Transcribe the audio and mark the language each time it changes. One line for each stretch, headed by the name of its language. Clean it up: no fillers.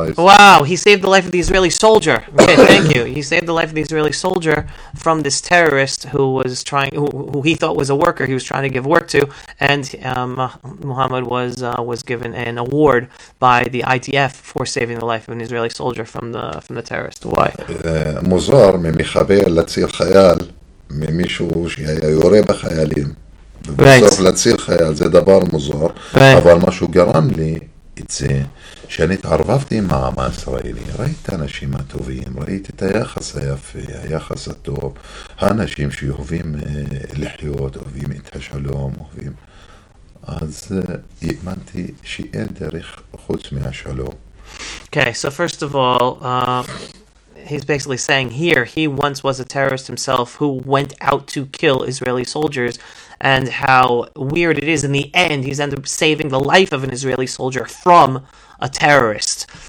English: Wow, he saved the life of the Israeli soldier. Okay, thank you. He saved the life of the Israeli soldier from this terrorist who was trying, who he thought was a worker. He was trying to give work to, and Muhammad was given an award by the IDF for saving the life of an Israeli soldier from the terrorist. Why?
Hebrew: Muzar mi mechaber latzir chayal. ממישהו שהיה יורה בחיילים ובסוף להציל חייל זה דבר מוזר אבל מה שהוא גרם לי את זה שאני התערבבתי עם העם הישראלי ראיתי את האנשים הטובים ראיתי את היחס היפה היחס הטוב האנשים שאוהבים לחיות אוהבים את השלום אוהבים אז האמנתי שאין דרך חוץ מהשלום
English: Okay, so first of all He's basically saying here he once was a terrorist himself who went out to kill Israeli soldiers and how weird it is in the end he's ended up saving the life of an Israeli soldier from a terrorist.